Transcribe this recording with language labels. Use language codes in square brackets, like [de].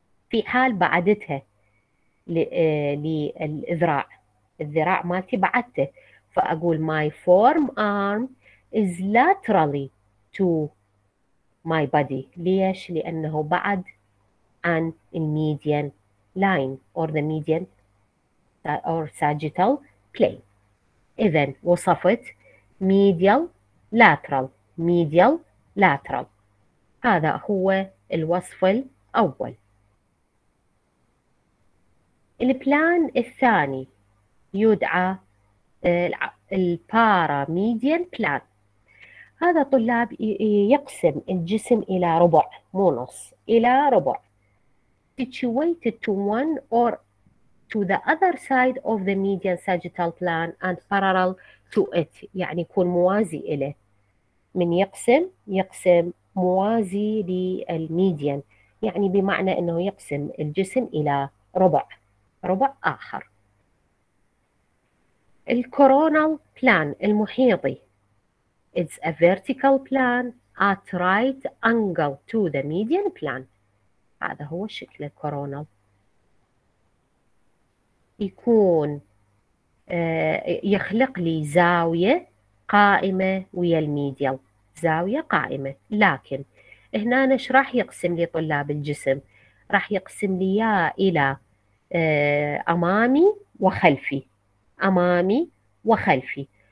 [ar] في حال بعدتها للذراع، الذراع مالتي بعدته، فأقول [en] my forearm is laterally to my body. [ar] ليش؟ لأنه بعد عن الميديان لاين [en] or the median or sagittal plane. [ar] إذا وصفت medial lateral، medial lateral. هذا هو الوصف الأول. البلان الثاني يدعى الباراميديان بلان. هذا طلاب يقسم الجسم إلى ربع، مو نص، إلى ربع. [en] Situated to one or to the other side of the median sagittal plan and parallel to it. [ar] يعني يكون موازي إليه. من يقسم موازي للميديان. يعني بمعنى أنه يقسم الجسم إلى ربع. ربع آخر. الكورونال بلان المحيطي. [en] It's a vertical plan at right angle to the median plan. [ar] هذا هو شكل الكورونال. يكون يخلق لي زاوية قائمة ويا الميديال. زاوية قائمة. لكن هنا ايش راح يقسم لي طلاب الجسم؟ راح يقسم لي يا إلى أمامي وخلفي، أمامي وخلفي.